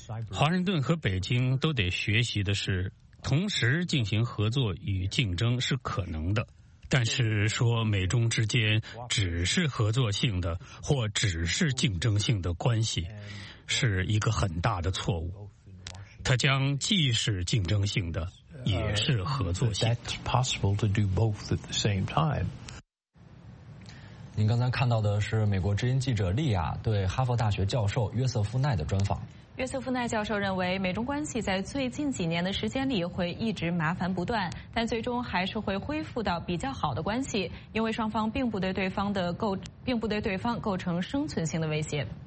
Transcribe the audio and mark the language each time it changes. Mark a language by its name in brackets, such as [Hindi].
[Chinese] 华盛顿和北京都得学习的是，同时进行合作与竞争是可能的。但是说美中之间只是合作性的或只是竞争性的关系，是一个很大的错误。它将既是竞争性的，也是合作性的。 [English] That's possible to do both at the same time. [Chinese] 您刚才看到的是美国之音记者莉亚对哈佛大学教授约瑟夫奈的专访。约瑟夫奈教授认为，美中关系在最近几年的时间里会一直麻烦不断，但最终还是会恢复到比较好的关系，因为双方并不对对方的构成生存性的威胁。